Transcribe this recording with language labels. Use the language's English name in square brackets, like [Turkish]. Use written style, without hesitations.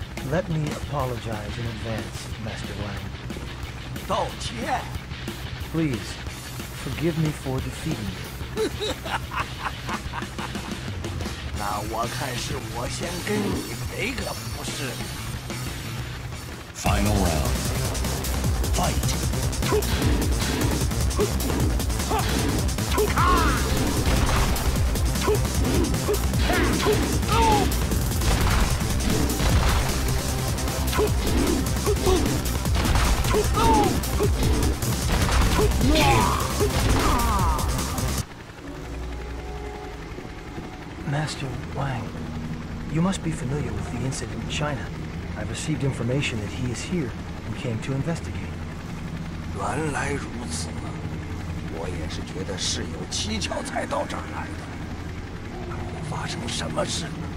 [English] Let me apologize in advance, Master Wang. Don't, yeah. Please, forgive me for defeating you. [Chinese] 那我看是我先跟你赔个不是。 [English] Final round. Fight. Master Wang, you must be familiar with the incident in China. I've received information that he is here and came to investigate. [Chinese] 原来如此，我也是觉得事有蹊跷才到这儿来的。发生什么事了？